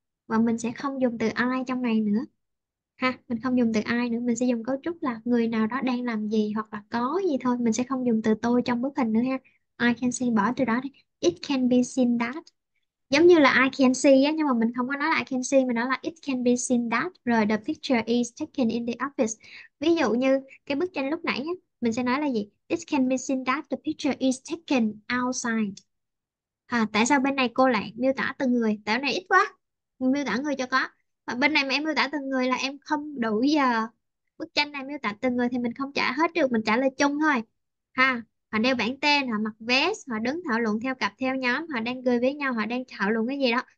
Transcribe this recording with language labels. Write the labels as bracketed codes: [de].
[vi] Và mình sẽ không dùng từ ai trong này nữa. Ha, mình không dùng từ ai nữa, mình sẽ dùng cấu trúc là người nào đó đang làm gì hoặc là có gì thôi. Mình sẽ không dùng từ tôi trong bức hình nữa ha. [en] I can see, [vi] bỏ từ đó đi. [en] It can be seen that. [vi] Giống như là [en] I can see [vi] á, nhưng mà mình không có nói là I can see, mình nói là [en] it can be seen that. Rồi, the picture is taken in the office. [vi] Ví dụ như cái bức tranh lúc nãy á, mình sẽ nói là gì? [en] It can be seen that the picture is taken outside. [vi] Tại sao bên này cô lại miêu tả từng người? Tại này ít quá. Mình miêu tả người cho có. Và bên này mà em miêu tả từng người là em không đủ giờ. Bức tranh này miêu tả từng người thì mình không trả hết được, mình trả lời chung thôi. Ha. họ đeo bảng tên, họ mặc vest, họ đứng thảo luận theo cặp theo nhóm, họ đang cười với nhau, họ đang thảo luận cái gì đó.